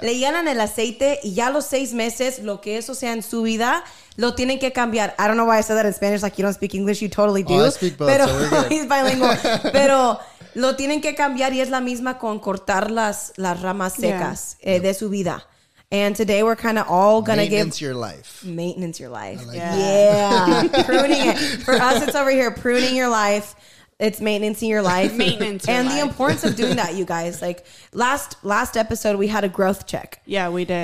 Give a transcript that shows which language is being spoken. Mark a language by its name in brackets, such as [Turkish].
[Spanish] Le llenan el aceite y ya los seis meses, lo que eso sea en su vida, lo tienen que cambiar. [English] I don't know why I said that in Spanish, like you don't speak English, you totally do. Oh, I speak both, [Spanish] pero, [English] so we're good. He's bilingual. [Spanish] Pero lo tienen que cambiar y es la misma con cortar las ramas secas de su vida. [English] And today we're kind of all going to give... Maintenance your life. Like pruning it. For us, it's over here, pruning your life. It's maintenance in your life. Maintenance your life. The importance of doing that, you guys. Like last episode, we had a growth check. Yeah, we did.